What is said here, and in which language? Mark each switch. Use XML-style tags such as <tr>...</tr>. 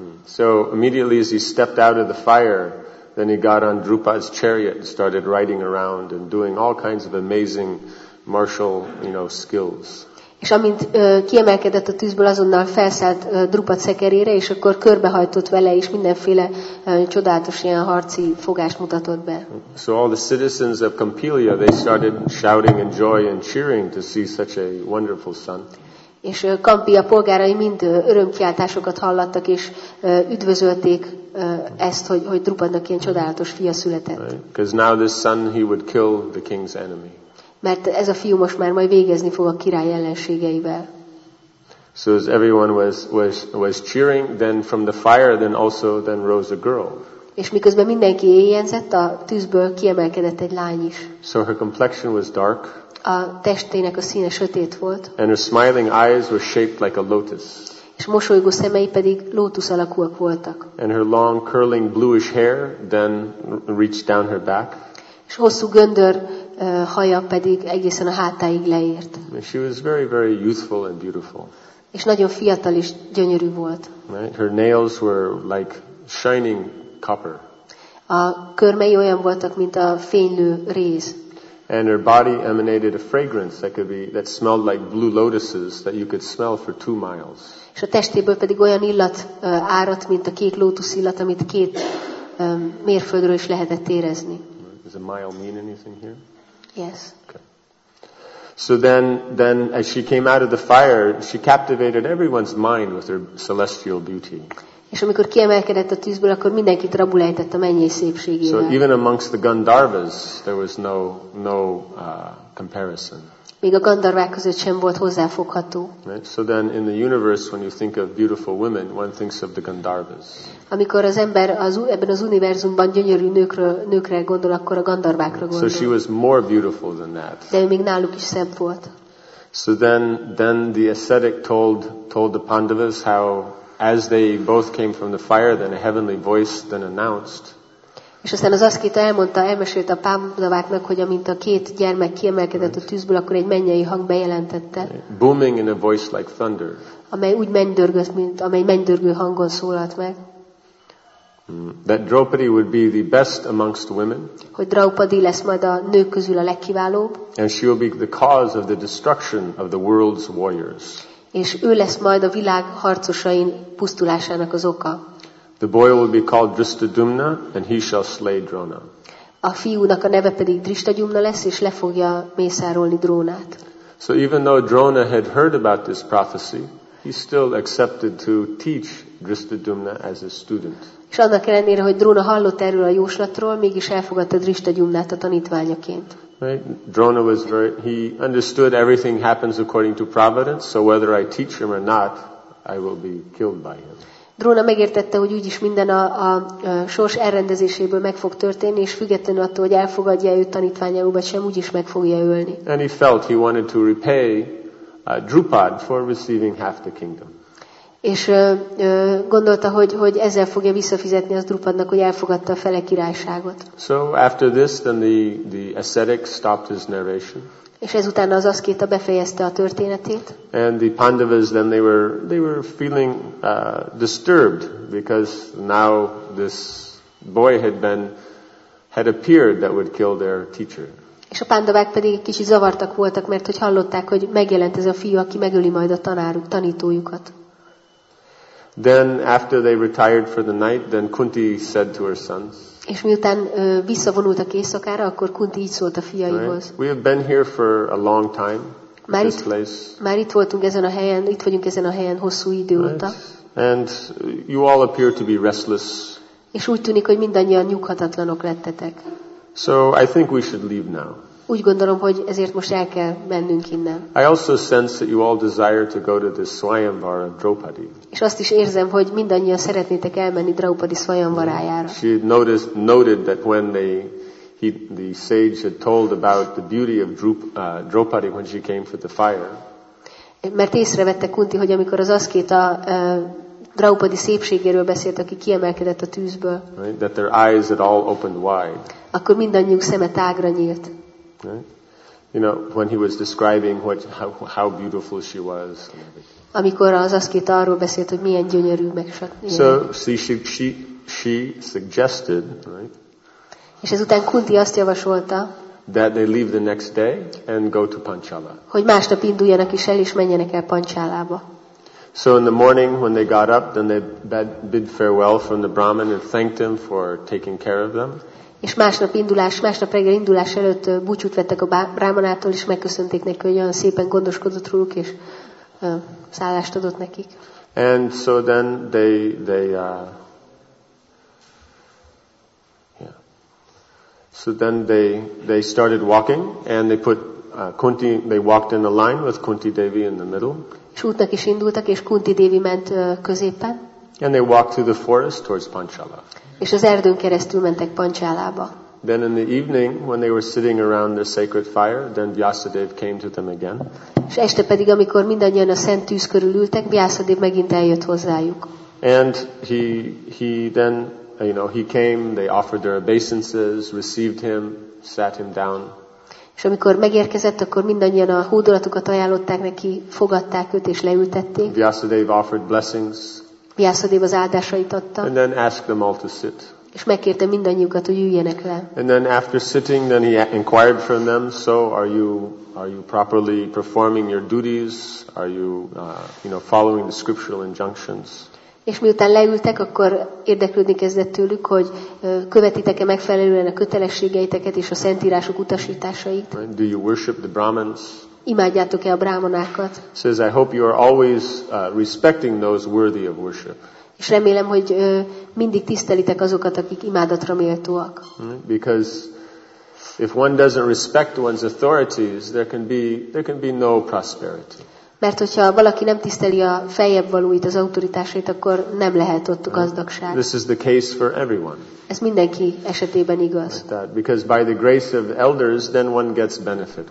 <en>So immediately as he stepped out of the fire, then he got on Drupad's chariot and started riding around and doing all kinds of amazing martial, you know, skills.</en> <hu>És amint kiemelkedett a tűzből, azonnal felszállt Drupad szekerére, és akkor körbehajtott vele, és mindenféle csodálatos ilyen harci fogást mutatott be.</hu> <en>So all the citizens of Kampilia, they started shouting in joy and cheering to see such a wonderful son.</en> <hu>És Kampia polgárai mind örömkiáltásokat hallattak, és üdvözölték ezt, hogy Drupadnak ilyen csodálatos fia született.</hu> <en>Because now this son, he would kill the king's enemy.</en> <hu>Mert ez a fiú most már majd végezni fog a király ellenségeivel.</hu> <en>So as everyone was cheering, then from the fire, then rose a girl.</en> <hu>És miközben mindenki éjjenzett, a tűzből kiemelkedett egy lány is.</hu> <en>So her complexion was dark.</en> <hu>A testének a színe sötét volt.</hu> <en>And her smiling eyes were shaped like a lotus.</en> <hu>És mosolygó szemei pedig lótusz alakúak voltak.</hu> <en>And her long curling bluish hair then reached down her back.</en> <hu>És hosszú göndör haja pedig egészen a hátáig leért.</hu> <en>She was very, very youthful and beautiful.</en> <hu>És nagyon fiatal és gyönyörű volt.</hu> <en>Right? Her nails were like shining copper.</en> <hu>A körmei olyan voltak, mint a fénylő réz.</hu> <en>And her body emanated a fragrance that smelled like blue lotuses that you could smell for 2 miles.</en> <hu>És a testéből pedig olyan illat áradt, mint a kék lótusz illat, amit két mérföldről is lehetett érezni.</hu> <en>Does a mile mean anything here? Yes. Okay. So then as she came out of the fire, she captivated everyone's mind with her celestial beauty.</en> <hu>És amikor kiemelkedett a tűzből, akkor mindenkit rabul ejtett a mennyei szépségével.</hu> <en>So even amongst the Gandharvas, there was no comparison.</en> <hu>Még a gandharvák között sem volt hozzáfogható.</hu> <en>Right? So then in the universe, when you think of beautiful women, one thinks of the Gandharvas.</en> <hu>Amikor az ember ebben az univerzumban gyönyörű nőkre gondol, akkor a gandharvákra gondol.</hu> <en>So she was more beautiful than that.</en> <hu>De még náluk is szebb volt.</hu> <en>So then the ascetic told the Pandavas how as they both came from the fire, then a heavenly voice then announced.</en> <hu>És aztán az aszkéta elmesélte a pandaváknak, hogy amint a két gyermek kiemelkedett a tűzből, akkor egy mennyei hang bejelentette.</hu> <en>Booming in a voice like thunder.</en> <hu>Amely úgy mennydörgött, mint amely mennydörgő hangon szólalt meg.</hu> <en>That Draupadi would be the best amongst women.</en> <hu>Hogy Draupadi lesz majd a nők közül a legkiválóbb.</hu> <en>And she will be the cause of the destruction of the world's warriors.</en> <hu>És ő lesz majd a világ harcosain pusztulásának az oka.</hu> <en>The boy will be called Drishtadyumna, and he shall slay Drona.</en> <hu>A fiúnak a neve pedig Drishtadyumna lesz, és le fogja mészárolni Drónát.</hu> <en>So even though Drona had heard about this prophecy, he still accepted to teach Drishtadyumna as his student.</en> <hu>És annak ellenére, hogy Drona hallott erről a jóslatról, mégis elfogadta Drishtadyumnát a tanítványaként.</hu> <en>Right? Drona was he understood everything happens according to providence, so whether I teach him or not, I will be killed by him.</en> <hu>Drona megértette, hogy úgyis minden a sors elrendezéséből meg fog történni, és függetlenül attól, hogy elfogadja őt tanítványául, vagy sem, úgyis meg fogja ölni.</hu> <en>And he felt he wanted to repay Drupad for receiving half the kingdom.</en> <hu>És gondolta, hogy ezzel fogja visszafizetni az Drupadnak, hogy elfogadta a fele királyságot.</hu> <en>So after this, then the ascetic stopped his narration.</en> <hu>És ezután az aszkéta befejezte a történetét.</hu> <en>And the Pandavas then they were feeling disturbed because now this boy had appeared that would kill their teacher.</en> <hu>És a Pandavák pedig egy kicsit zavartak voltak, mert hogy hallották, hogy megjelent ez a fiú, aki megöli majd a tanítójukat.</hu> <en>Then after they retired for the night, then Kunti said to her sons.</en> <hu>És miután visszavonultak éjszakára, akkor Kunti így szólt a fiaihoz.</hu> <en>Right? We have been here for a long time.</en> <hu>Már itt voltunk ezen a helyen, itt vagyunk ezen a helyen hosszú idő óta.</hu> <en>Right? And you all appear to be restless.</en> <hu>És úgy tűnik, hogy mindannyian nyughatatlanok lettetek.</hu> <en>So I think we should leave now.</en> <hu>Úgy gondolom, hogy ezért most el kell mennünk innen.</hu> <en>I also sense that you all desire to go to the Swayamvara of Draupadi.</en> <hu>És azt is érzem, hogy mindannyian szeretnétek elmenni Draupadi Swayamvarájára.</hu> <en>She noted that when the sage had told about the beauty of Draupadi when she came for the fire.</en> <hu>Mert észrevette Kunti, hogy amikor az aszkéta Draupadi szépségéről beszélt, aki kiemelkedett a tűzből.</hu> <en>Right? That their eyes had all opened wide.</en> <hu>Akkor mindannyiunk szeme tágra nyílt.</hu> <en>Right? You know, when he was describing how beautiful she was.</en> <hu>Amikor az aszkéta arról beszélt, hogy milyen gyönyörű meg.</hu> <en>So she suggested, right?</en> <hu>És ezután Kunti azt javasolta.</hu> <en>That they leave the next day and go to Panchala.</en> <hu>Hogy másnap induljanak is el és menjenek el Panchalába.</hu> <en>So in the morning when they got up, then they bid farewell from the Brahman and thanked him for taking care of them.</en> <hu>És másnap reggel indulás előtt búcsút vettek a Brahmanától, és megköszönték neki, hogy olyan szépen gondoskodott róluk, és szállást adott nekik.</hu> <en>And so then they started walking, and they put Kunti, they walked in a line with Kunti Devi in the middle.</en> <hu>És útnak is indultak, és Kunti Devi ment középen.</hu> <en>And they walked through the forest towards Panchala.</en> <hu>És az erdőn keresztül mentek Panchalába.</hu> <en>Then in the evening, when they were sitting around their sacred fire, then Vyasadeva came to them again.</en> <hu>És este pedig, amikor mindannyian a szent tűz körül ültek, Vyasadeva megint eljött hozzájuk.</hu> <en>And he then, you know, he came, they offered their obeisances, received him, sat him down.</en> <hu>És amikor megérkezett, akkor mindannyian a hódolatukat ajánlották neki, fogadták őt és leültették.</hu> <en>Vyasadeva offered blessings.</en> <hu>Vyasadeva az áldásait adta.</hu> <en>And then asked them all to sit.</en> <hu>És megkérte mindannyiukat, hogy üljenek le.</hu> <en>And then after sitting, then he inquired from them, so are you properly performing your duties? Are you, you know, following the scriptural injunctions?</en> <hu>És miután leültek, akkor érdeklődni kezdett tőlük, hogy követitek-e megfelelően a kötelességeiteket és a szentírások utasításait.</hu> <en>Do you worship the Brahmins?</en> <hu>Imádjátok-e a brámanákat?</hu> <en>Says, I hope you are always respecting those worthy of worship.</en> <hu>És remélem, hogy mindig tisztelitek azokat, akik imádatra méltóak.</hu> <en>Because if one doesn't respect one's authorities, there can be no prosperity.</en> <hu>Mert hogyha valaki nem tiszteli a feljebb valóit, az autoritásait, akkor nem lehet ott gazdagság.</hu> <en>This is the case for everyone.</en> <hu>Ez mindenki esetében igaz.</hu> <en>Because by the grace of elders, then one gets benefit.</en>